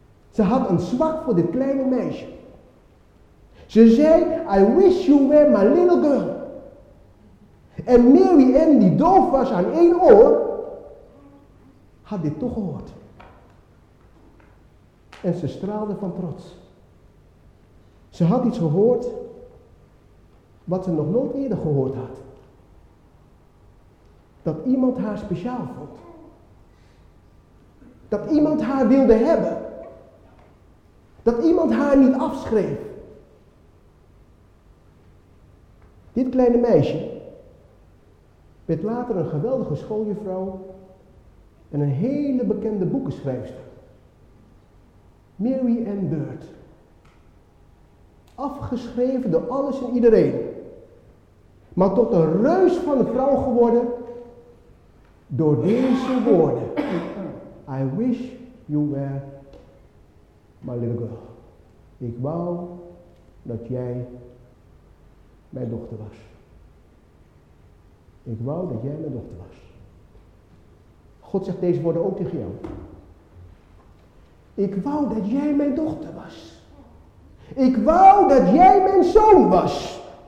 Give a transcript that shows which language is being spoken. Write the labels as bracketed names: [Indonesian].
[Dutch] Ze had een zwak voor dit kleine meisje. Ze zei, [English] I wish you were my little girl. [Dutch] En Mary Ann, die doof was aan één oor, had dit toch gehoord. En ze straalde van trots. Ze had iets gehoord wat ze nog nooit eerder gehoord had. Dat iemand haar speciaal vond. Dat iemand haar wilde hebben. Dat iemand haar niet afschreef. Dit kleine meisje werd later een geweldige schooljuffrouw en een hele bekende boekenschrijfster. Mary Ann Byrd. Afgeschreven door alles en iedereen. Maar tot een reus van een vrouw geworden door deze woorden. [English] I wish you were my little girl. [Dutch] Ik wou dat jij mijn dochter was. Ik wou dat jij mijn dochter was. God zegt deze woorden ook tegen jou. Ik wou dat jij mijn dochter was. Ik wou dat jij mijn zoon was.